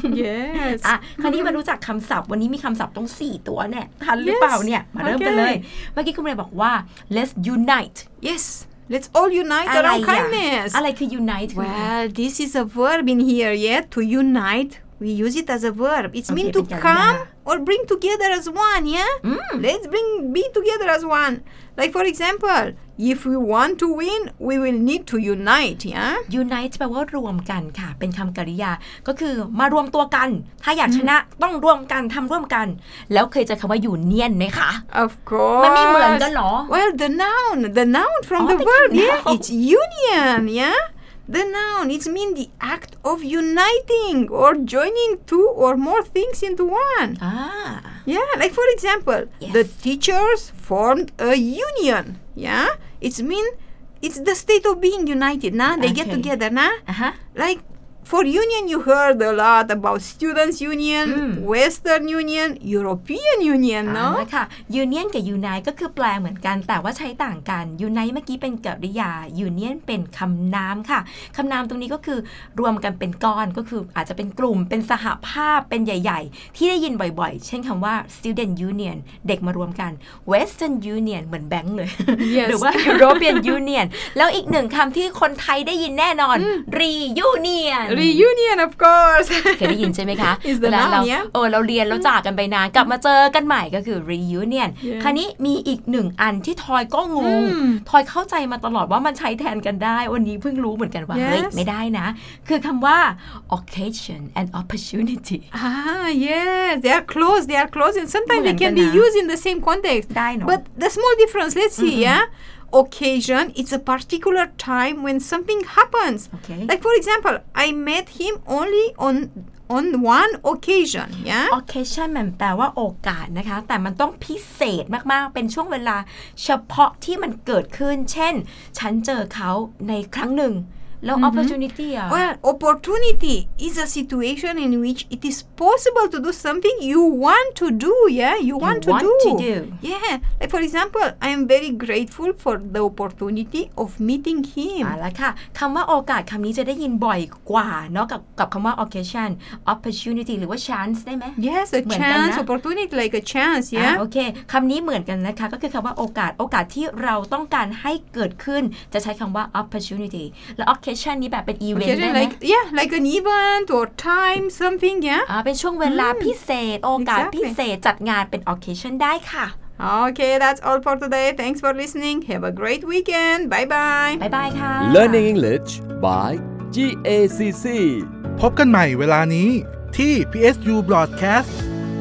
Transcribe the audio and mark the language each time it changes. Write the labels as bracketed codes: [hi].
[en] Yes [th] อ่ะคราวนี้มารู้จักคำศัพท์วันนี้มีคำศัพท์ต้อง4ตัวเนี่ยทัน [en] yes. [th] หรือเปล่าเนี่ยมา [en] okay. [th] เริ่มกันเลยเมื่อกี้คุณเรียนบอกว่า [en] Let's unite. Yes, let's all unite around kindness. [th] อะไรคือ unite? [en] Well, this is a verb in here, yeah? To unite, we use it as a verb. It's mean to come or bring together as one, yeah? Let's be together as one. Like for example, if we want to win, we will need to unite, yeah? [th] Unite แปลว่ารวมกันค่ะเป็นคำกริยาก็คือมารวมตัวกันถ้าอยากชนะต้องรวมกันทำร่วมกันแล้วเคยเจอคำว่าอยู่เนียนไหมคะ [en] Of course [th] มันมีเหมือนกันเหรอ [en] Well, the noun from the verb, yeah? It's union, yeah? The noun, it's mean the act of uniting or joining two or more things into one. Ah. Yeah, like for example, yes. the teachers formed a union. Yeah, it's mean it's the state of being united. Nah, they get together. Nah, like for union, you heard a lot about students' union, Western union, European union. No. [th] ใช่ค่ะ Union กับ unite ก็คือแปลเหมือนกันแต่ว่าใช้ต่างกัน unite เมื่อกี้เป็นกริยา union เป็นคำนามค่ะคำนามตรงนี้ก็คือรวมกันเป็นก้อนก็คืออาจจะเป็นกลุ่มเป็นสหภาพเป็นใหญ่ๆที่ได้ยินบ่อยๆเช่นคำว่า student union เด็กมารวมกัน Western union เหมือนแบงก์เลย [en] yes. [th] หรือว่า European union แล้วอีกหนึ่งคำที่คนไทยได้ยินแน่นอน reunion [en] Reunion of course [th] เคยได้ยินใช่ไหมคะ เวล าเราโอ้เราเรียน เ ราจากกันไปนานกลับมาเจอกันใหม่ก็คือ reunion คราวนี้มีอีกหนึ่งอันที่ทอยก็งงทอยเข้าใจมาตลอดว่ามันใช้แทนกันได้วันนี้เพิ่งรู้เหมือนกันว่าเฮ้ยไม่ได้นะคือคำว่า occasion and opportunity [en] yes they are close and sometimes they can be used in the same context but the small difference let's see yeah Occasion, it's a particular time when something happens. Okay. Like for example, I met him only on one occasion. Yeah. [th] Occasion มันแปลว่าโอกาสนะคะแต่มันต้องพิเศษมากๆเป็นช่วงเวลาเฉพาะที่มันเกิดขึ้นเช่นฉันเจอเขาในครั้งหนึ่ง แล้ว opportunity อ่ะ [en] well opportunity is a situation in which it is possible to do something you want to do yeah you want to do yeah like for example I am very grateful for the opportunity of meeting him [th] อ่ะล่ะค่ะคำว่าโอกาสคำนี้จะได้ยินบ่อยกว่าเนาะกับคำว่า occasion opportunity หรือว่า chance ได้ไหม [en] yes a chance opportunity like a chance yeah [th] โอเคคำนี้เหมือนกันนะคะก็คือคำว่าโอกาสที่เราต้องการให้เกิดขึ้นจะใช้คำว่า opportunityoccasion นี้แบบเป็น event [en] okay, like, yeah like an event or time something yeah [th] เป็นช่วงเวลาพิเศษโอกาสพิเศษจัดงานเป็น occasion ได้ค่ะ [en] okay that's all for today thanks for listening have a great weekend bye bye [th] ค่ะ [en] learning english by GACC [th] พบกันใหม่เวลานี้ที่ PSU broadcast